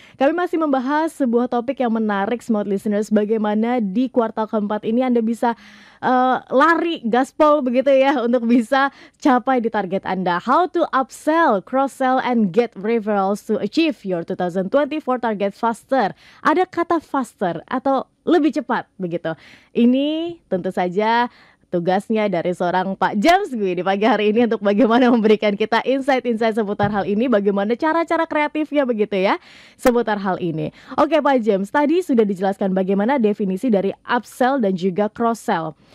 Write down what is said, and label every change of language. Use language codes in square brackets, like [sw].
[id] Kami masih membahas sebuah topik yang menarik, Smart listeners, bagaimana di kuartal keempat ini Anda bisa lari gaspol begitu ya untuk bisa capai di target Anda. [en] How to upsell, cross sell and get referrals to achieve your 2024 target faster. [id] Ada kata faster atau lebih cepat begitu. Ini tentu saja tugasnya dari seorang Pak James Gui di pagi hari ini untuk bagaimana memberikan kita insight-insight seputar hal ini, bagaimana cara-cara kreatifnya begitu ya seputar hal ini. Oke Pak James, tadi sudah dijelaskan bagaimana definisi dari upsell dan juga cross-sell.